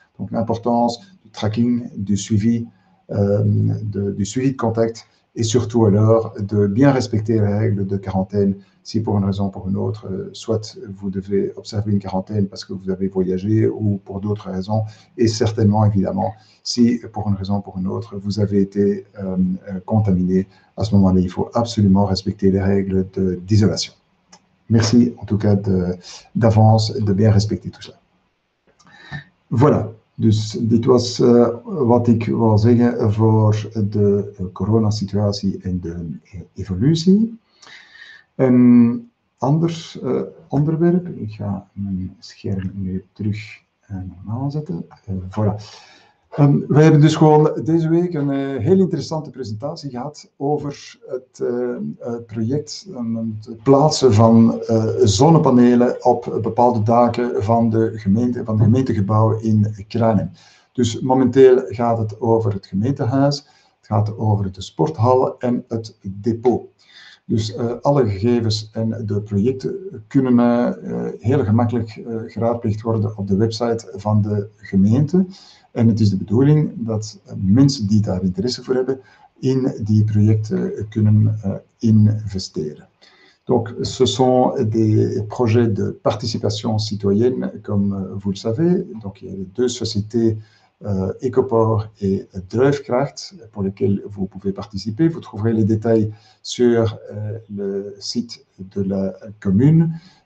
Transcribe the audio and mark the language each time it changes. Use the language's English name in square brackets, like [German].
[French] Donc l'importance du tracking, du suivi de contact et surtout alors de bien respecter les règles de quarantaine si pour une raison ou pour une autre, soit vous devez observer une quarantaine parce que vous avez voyagé ou pour d'autres raisons et certainement évidemment si pour une raison ou pour une autre vous avez été contaminé. À ce moment-là, il faut absolument respecter les règles d'isolation. Merci en tout cas d'avance de bien respecter tout cela. Voilà. [Dutch] Dus dit was wat ik wou zeggen voor de coronasituatie en de evolutie. Een ander onderwerp. Ik ga mijn scherm nu terug normaal zetten. Voilà. We hebben dus gewoon deze week een heel interessante presentatie gehad over het project, het plaatsen van zonnepanelen op bepaalde daken van de gemeente, van het gemeentegebouw in Kranen. Dus momenteel gaat het over het gemeentehuis, het gaat over de sporthal en het depot. Dus alle gegevens en de projecten kunnen heel gemakkelijk geraadpleegd worden op de website van de gemeente. En het is de bedoeling dat mensen die daar interesse voor hebben, in die projecten kunnen investeren. [French] Donc, ce sont des projets de participation citoyenne, comme vous le savez. Donc, il y a deux sociétés, Ecoport et Druifkracht, pour lesquelles vous pouvez participer. Vous trouverez les détails sur le site de la commune.